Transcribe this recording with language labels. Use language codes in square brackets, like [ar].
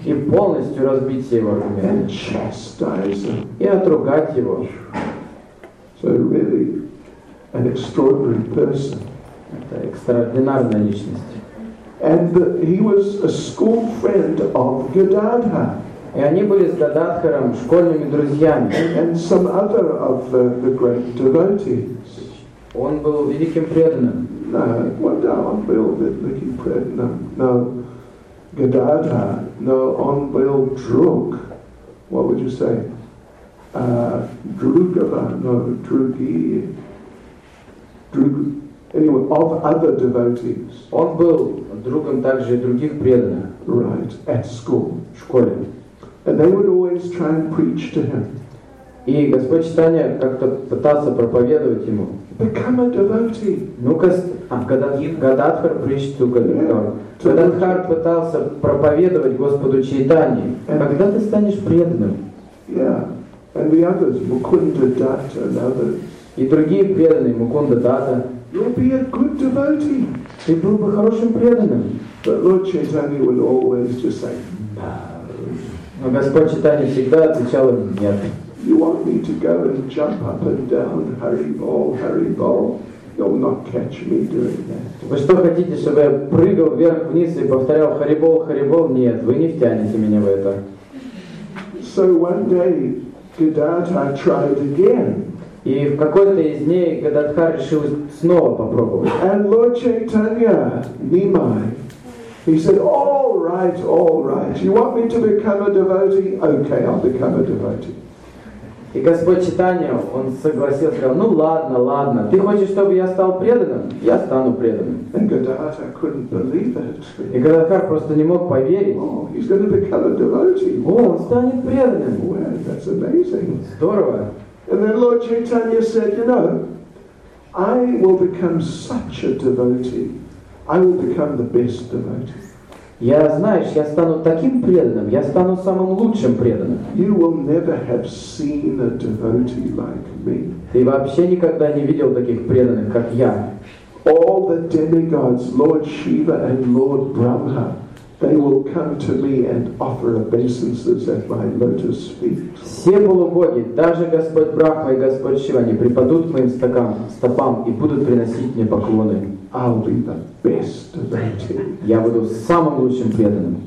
[ru] И полностью разбить все его аргументы. [en] And chastise him. [ru] И отругать его. [en] So really an extraordinary person. [ru] Это экстраординарная личность. [en] And he was a school friend of Gadadhara. [ru] И они были с Гададхаром школьными друзьями. [en] And some other of the great devotees. [ru] Он был великим преданным. [en] No, well, no, [ru] он был великим преданным. [en] No, [ru] Gadadhara. [en] No, [ru] он был друг. [en] What would you say? [ru] Другова. [en] No, [ru] други. Друг. [en] Anyway, of other devotees. [ru] Он был другом также других преданных. [en] Right, at school. [ru] В школе. [en] And they would always try and preach to him. [ru] И Господь Читания как-то пытался проповедовать ему. [en] Become a devotee. [ru] Ну-ка, [en] Гададхар preached to Gadadhar. [ru] Гададхар пытался проповедовать Господу Читании. Когда ты станешь преданным? [en] Yeah. And the others, Mukunda Datta and others. [ru] И другие преданные, Mukunda Datta. [en] You'll be a good devotee. [ru] Ты был бы хорошим преданным. [en] But Lord Chaitanya would always just say, no. [ru] Но Господь Читани всегда отвечал ему нет. [en] You want me to go and jump up and down, Hari Bol, Hari Bol? You'll not catch me doing that. [ru] Вы что хотите, чтобы я прыгал вверх вниз и повторял Hari Bol, Hari Bol? Нет, вы не втянете меня в это. [en] So one day, Gadadhara tried again. [ru] И в какой-то из дней Гададхар решил снова попробовать. [en] And Lord Chaitanya, Nimai, he said, all right, all right. You want me to become a devotee? Okay, I'll become a devotee. [ru] И Господь Читания, он согласился, сказал, ну ладно, ладно. Ты хочешь, чтобы я стал преданным? Я стану преданным. [en] And Gadadhara couldn't believe it. [ru] И Гададхар просто не мог поверить. [en] Oh, he's going to become a devotee. [ru] О, он станет преданным. [en] Well, that's amazing. [ru] Здорово. [en] And then Lord Chaitanya said, you know, I will become such a devotee. I will become the best devotee. [ru] Я, знаешь, я стану таким преданным, я стану самым лучшим преданным. [en] You will never have seen a devotee like me. [ru] Ты вообще никогда не видел таких преданных, как я. [en] All the demigods, Lord Shiva and Lord Brahma, they will come to me and offer obeisances at my lotus feet. [ru] Все полубоги, даже Господь Брахма и Господь Шива, они припадут к моим стопам и будут приносить мне поклоны. [en] I'll be the best devotee. [ru] Я буду самым лучшим преданным.